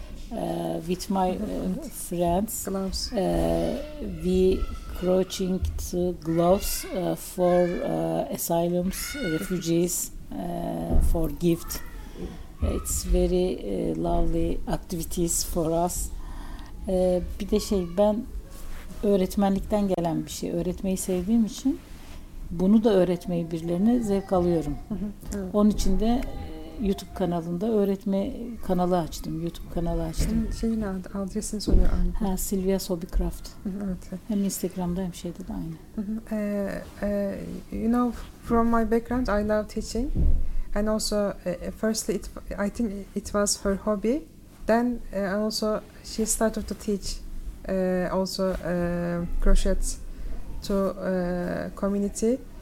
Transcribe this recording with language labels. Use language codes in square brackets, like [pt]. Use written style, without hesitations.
[en] With my friends, we approaching to gloves for asylums, refugees, for gift. It's very lovely activities for us. [tr] Bir de şey, ben öğretmenlikten gelen bir şey. Öğretmeyi sevdiğim için bunu da öğretmeyi birilerine zevk alıyorum. Onun için de YouTube kanalında öğretme kanalı açtım. YouTube kanalı açtım. Şeyin adı, adresini soruyor anne. Ha, Silvia Sobicraft. Evet. Hem Instagram'da hem şeyde de aynı. [en] You know, from my background, I love teaching. And also, firstly, I think it was her hobby. Then also, she started to teach also crochet to community.